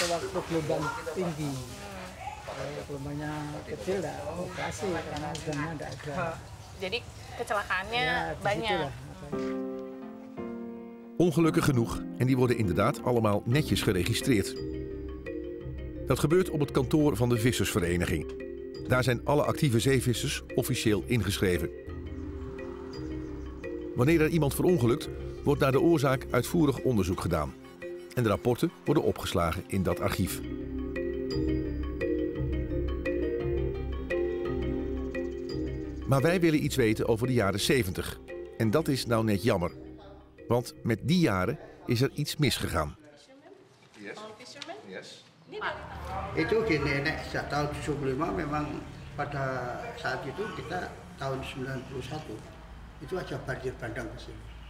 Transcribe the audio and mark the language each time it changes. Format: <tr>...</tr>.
<id>Gelombangnya kecil lah, operasi karena udangnya tidak ada. Jadi kecelakaannya ya, banyak.</id> <nl>Ongelukken genoeg en die worden inderdaad allemaal netjes geregistreerd. Dat gebeurt op het kantoor van de vissersvereniging. Daar zijn alle actieve zeevissers officieel ingeschreven. Wanneer er iemand verongelukt, wordt naar de oorzaak uitvoerig onderzoek gedaan. En de rapporten worden opgeslagen in dat archief. Maar wij willen iets weten over de jaren 70. En dat is nou net jammer. Want met die jaren is er iets misgegaan.</nl> <en>Fisherman? Yes. Fisherman? Yes. Ah.</en> <id>Itu gini, tahun 75 memang pada saat itu kita tahun 91 itu aja banjir bandang ke sini.</id>